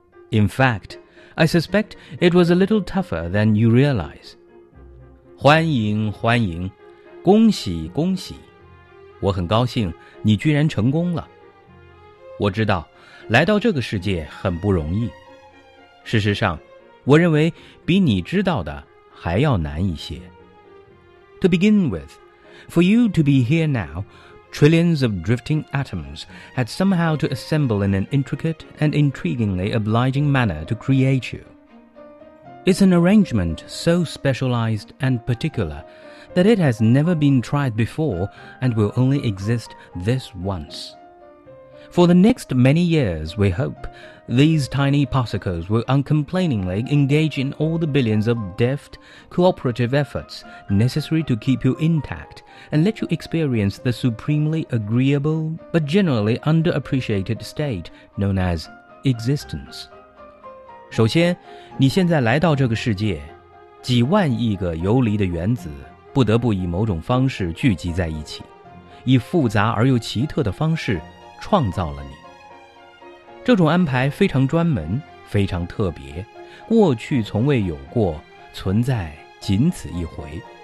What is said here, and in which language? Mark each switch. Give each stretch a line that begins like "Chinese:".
English: In fact, I suspect it was a little tougher than you realize.
Chinese: 欢迎，欢迎。恭喜恭喜，我很高兴你居然成功了。我知道来到这个世界很不容易，事实上我认为比你知道的还要难一些。
English: To begin with, for you to be here now, trillions of drifting atoms had somehow to assemble in an intricate and intriguingly obliging manner to create you. It's an arrangement so specialized and particularthat it has never been tried before and will only exist this once. For the next many years, we hope, these tiny particles will uncomplainingly engage in all the billions of deft, cooperative efforts necessary to keep you intact and let you experience the supremely agreeable but generally underappreciated state known as existence.
Chinese: 首先，你现在来到这个世界，几万亿个游离的原子不得不以某种方式聚集在一起，以复杂而又奇特的方式创造了你。这种安排非常专门，非常特别，过去从未有过，存在仅此一回。